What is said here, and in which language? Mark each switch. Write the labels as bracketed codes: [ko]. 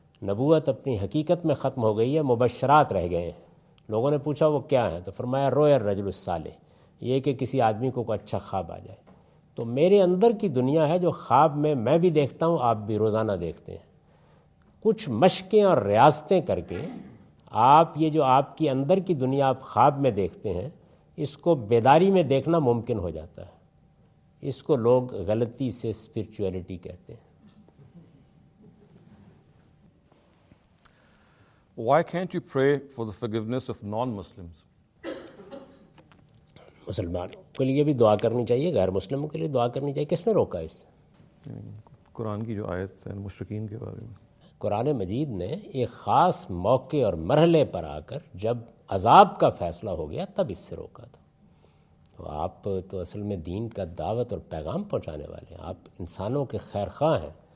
[ur] نبوت اپنی حقیقت میں ختم ہو گئی ہے، مبشرات رہ گئے ہیں۔ لوگوں نے پوچھا وہ کیا ہیں، تو فرمایا [ar] روی الرجل الصالح، [ur] یہ کہ کسی آدمی کو کوئی اچھا خواب آ جائے۔ تو میرے اندر کی دنیا ہے جو خواب میں میں بھی دیکھتا ہوں، آپ بھی روزانہ دیکھتے ہیں۔ کچھ مشقیں اور ریاضتیں کر کے آپ یہ جو آپ کی اندر کی دنیا آپ خواب میں دیکھتے ہیں، اس کو بیداری میں دیکھنا ممکن ہو جاتا ہے۔ اس کو لوگ غلطی سے اسپرچویلٹی کہتے ہیں۔ [en] Why can't you pray for the forgiveness of non-Muslims? [ur] مسلمانوں کے لیے بھی دعا کرنی چاہیے، غیر مسلموں کے لیے دعا کرنی چاہیے۔ کس نے روکا اس سے؟ قرآن کی جو آیت ہے مشرکین کے بارے میں، قرآن مجید نے ایک خاص موقع اور مرحلے پر آ کر جب عذاب کا فیصلہ ہو گیا تب اس سے روکا تھا۔ تو آپ تو اصل میں دین کا دعوت اور پیغام پہنچانے والے ہیں، آپ انسانوں کے خیر خواہ ہیں،